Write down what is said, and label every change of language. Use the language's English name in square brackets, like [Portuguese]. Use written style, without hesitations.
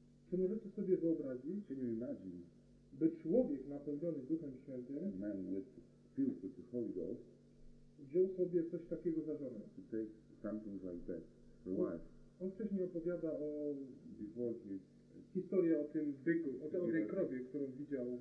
[Polish] Czy możecie sobie wyobrazić, [English] can you imagine, [Polish] by człowiek napełniony Duchem Świętym, [English] a man filled with the Holy Ghost, [Polish] wziął sobie coś takiego za żonę? [English] To take something like that for wife. [Polish] On wcześniej opowiada o [English] before [Polish] historię o tym byku, o tej krowie, którą widział